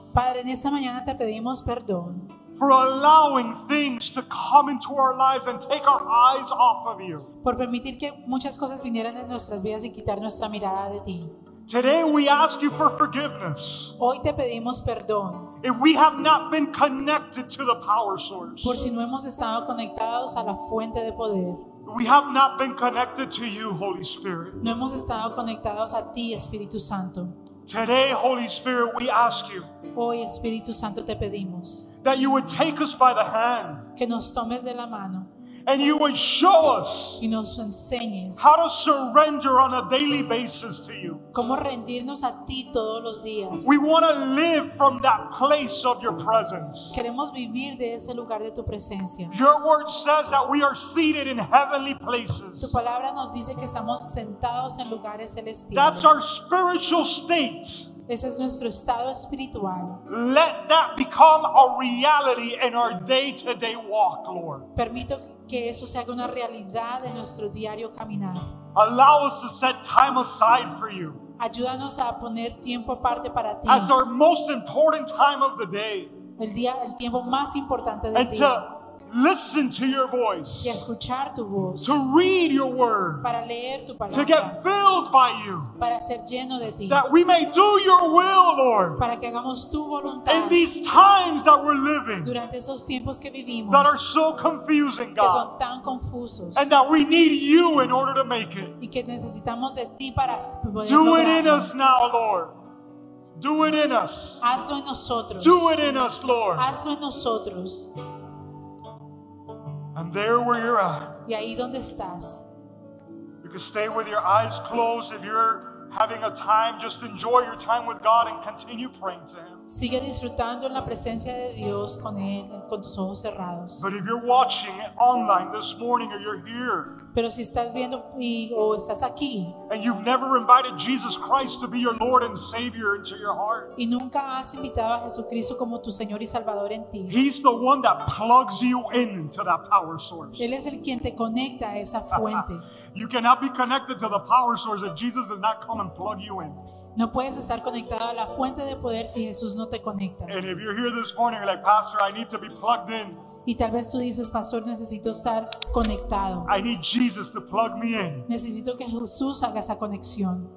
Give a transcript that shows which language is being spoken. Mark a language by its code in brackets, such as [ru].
[es] Padre, en esta mañana te pedimos perdón. [en] For allowing things to come into our lives and take our eyes off of you. [es] Por permitir que muchas cosas vinieran en nuestras vidas y quitar nuestra mirada de ti. [en] Today we ask you for forgiveness. [es] Hoy te pedimos perdón. [en] If we have not been connected to the power source. [es] Por si no hemos estado conectados a la fuente de poder. [en] We have not been connected to you, Holy Spirit. [es] No hemos estado conectados a ti, Espíritu Santo. [en] Today, Holy Spirit, we ask you. [es] Hoy, Espíritu Santo, te pedimos [en] that you would take us by the hand. [es] Que nos tomes de la mano. [en] And you would show us [es] y nos enseñes [en] how to surrender on a daily basis to you. [es] Cómo rendirnos a ti todos los días. [en] We want to live from that place of your presence. [es] Queremos vivir de ese lugar de tu presencia. [en] Your word says that we are seated in heavenly places. [es] Tu palabra nos dice que estamos sentados en lugares celestiales. [en] That's our spiritual state. [es] Ese es nuestro estado espiritual. [en] Let that become a reality in our day-to-day walk, Lord. [es] Permito que eso se haga una realidad en nuestro diario caminar. [en] Allow us to set time aside for you. [es] Ayúdanos a poner tiempo aparte para ti. [en] As our most important time of the day. [es] El día, el tiempo más importante del día. [en] And to listen to your voice. [es] Y escuchar tu voz. [en] To read your word. [es] Para leer tu palabra. [en] To get filled by you. [es] Para ser lleno de ti. [en] That we may do your will, Lord. [es] Para que hagamos tu voluntad. [en] In these times that we're living. [es] Durante esos tiempos que vivimos. [en] That are so confusing, God. [es] Que son tan confusos. [en] And that we need you in order to make it. [es] Y que necesitamos de ti para poder lograrlo. [en] Do it in us now, Lord. Do it in us. [es] Hazlo en nosotros. [en] Do it in us, Lord. [es] Hazlo en nosotros. [en] And there where you're at. [es] Y ahí donde estás. [en] You can stay with your eyes closed if you're having a time. Just enjoy your time with God and continue praying to Him. [es] Sigue disfrutando en la presencia de Dios con Él, con tus ojos cerrados. [en] But if you're watching online this morning or you're here. [es] Pero si estás viendo y, o estás aquí. [en] And you've never invited Jesus Christ to be your Lord and Savior into your heart. [es] Y nunca has invitado a Jesucristo como tu Señor y Salvador en ti. [en] He's the one that plugs you into that power source. [es] Él es el quien te conecta a esa fuente. [en] You cannot be connected to the power source if Jesus does not come and plug you in. [es] No puedes estar conectado a la fuente de poder si Jesús no te conecta. [en] And if you're here this morning, you're like, Pastor, I need to be plugged in. [es] Y tal vez tú dices, Pastor, necesito estar conectado. [en] I need Jesus to plug me in. [es] Necesito que Jesús haga esa conexión.